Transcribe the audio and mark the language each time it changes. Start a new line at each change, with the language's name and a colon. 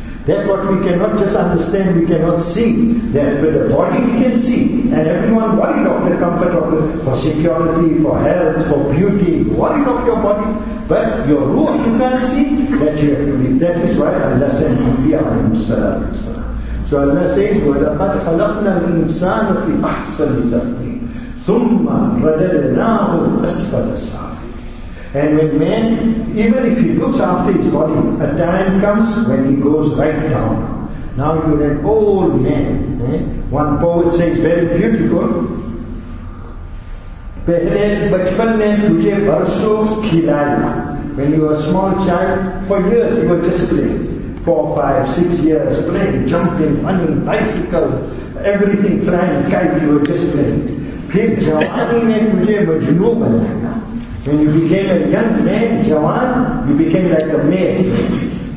English: That what we cannot just understand, we cannot see. That with the body we can see. And everyone worried of the comfort of it, for security, for health, for beauty, worried of your body. But your ruh you can't see, that you have to be. That is why Allah sent anbiya alayhi salam. So Allah says,
Arabic: وَلَقَدْ خَلَقْنَا الْإِنسَانَ فِي أَحْسَنِ تَقْوِيمٍ ثُمَّ رَدَدْنَاهُ أَسْفَلَ السَّافِلِينَ.
English: And when man, even if he looks after his body, a time comes when he goes right down. Now you're an old man. Eh? One poet says, very beautiful,
Urdu: پہلے بچپن میں تجھے برسوں کھلایا.
English: When you were a small child, for years you were just playing. 4, 5, 6 years playing, jumping, running, bicycle, everything, flying, kite, you were just playing.
Urdu: Phir jawani mein tujhe majnu banaya.
English: When you became a young man, jawan, you became like a man.